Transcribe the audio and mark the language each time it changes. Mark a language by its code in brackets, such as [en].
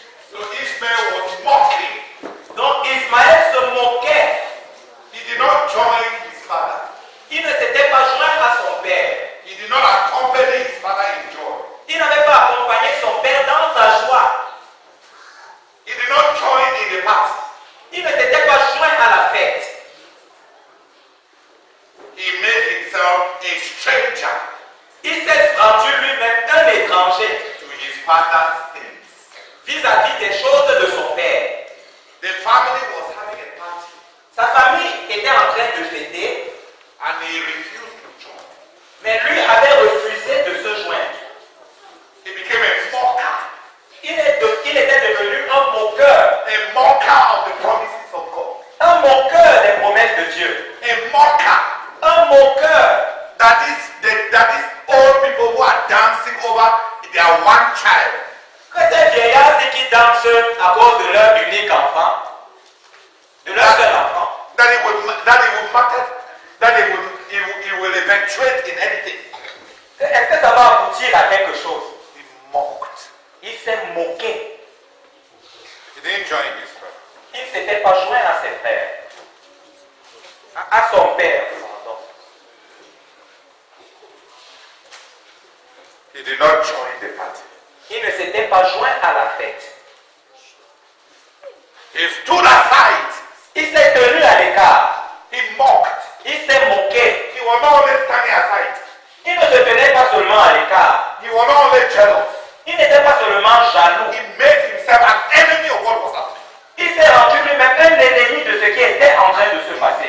[en] So Ismaël was mocking. [fr] Donc Ismaël se moquait. [en] He did not join his father. [fr] Il ne s'était pas joint à son père. [en] He did not accompany his father in joy. [fr] Il n'avait pas accompagné son père dans sa joie. [en] He did not join in the party. [fr] Il ne s'était pas joint à la fête. [en] He made himself a stranger. [fr] Il s'est rendu lui-même un étranger. [en] To his father's things. [fr] Vis-à-vis des choses de son père. [en] The family was having a party. [fr] Sa famille était en train de fêter. [en] And he refused to join. [fr] Mais lui avait refusé de se joindre. [en] He became a mocker. [fr] Il était devenu un moqueur. [en] A mocker of the promises of God. [fr] Un moqueur des promesses de Dieu. [en] A mocker. [fr] Un moqueur. [en] That is old people who are dancing over their one child. [fr] Que ces vieillards qui dansent à cause de leur unique enfant. De leur seul enfant. [en] That it will eventuate in anything. [fr] Est-ce que ça va aboutir à quelque chose? [en] Mocked. [fr] Il s'est moqué. [en] He didn't join his friend. [fr] Il ne s'était pas joint à ses frères. À son père, pardon. [en] He did not join the party. [fr] Il ne s'était pas joint à la fête. [en] He stood aside. [fr] Il s'est tenu à l'écart. [en] He mocked. [fr] Il s'est moqué. [en] He was not only standing aside. [fr] Il ne se tenait pas seulement à l'écart. [en] He was not only jealous. [fr] Il n'était pas seulement jaloux. [en] He made himself an enemy of what was happening. [fr] Il s'est rendu lui-même un ennemi de ce qui était en train de se passer.